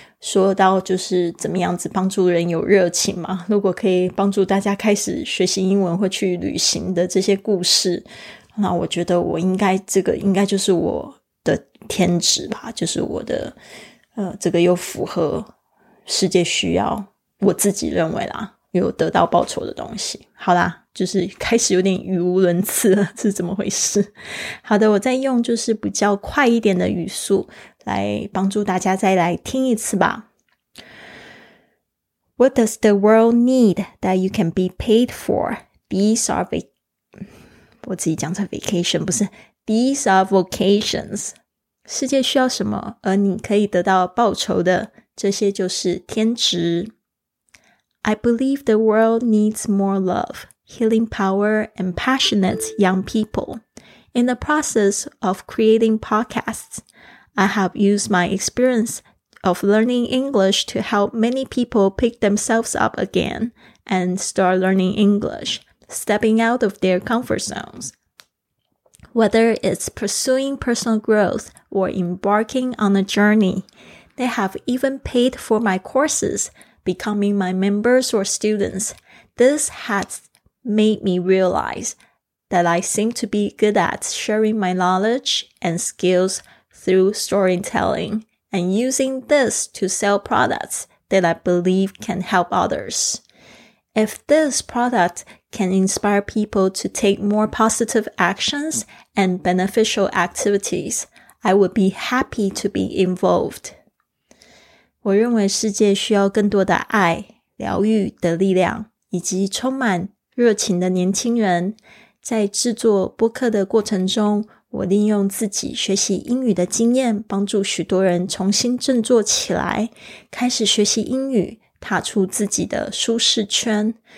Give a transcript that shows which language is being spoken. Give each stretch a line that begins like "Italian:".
Chinese: 说到就是怎么样子帮助人有热情嘛，如果可以帮助大家开始学习英文或去旅行的这些故事，那我觉得我应该这个应该就是我的天职吧，就是我的这个又符合世界需要，我自己认为啦，有得到报酬的东西。好啦，就是开始有点语无伦次了，是怎么回事？好的，我再用就是比较快一点的语速来帮助大家再来听一次吧。
English: What does the world need that you can be paid for?
Chinese: These are我自己讲成 vacation 不是
English: These are vocations.
Chinese: 世界需要什么而你可以得到报酬的，这些就是天职。
English: I believe the world needs more love, healing power and passionate young people. In the process of creating podcasts,I have used my experience of learning English to help many people pick themselves up again and start learning English, stepping out of their comfort zones. Whether it's pursuing personal growth or embarking on a journey, they have even paid for my courses, becoming my members or students. This has made me realize that I seem to be good at sharing my knowledge and skillsthrough storytelling, and using this to sell products that I believe can help others. If this product can inspire people to take more positive actions and beneficial activities, I would be happy to be involved.
Chinese: 我认为世界需要更多的爱、疗愈的力量，以及充满热情的年轻人。在制作播客的过程中，我利用自己学习英语的经验，帮助许多人重新振作起来，开始学习英语，踏出自己的舒适圈。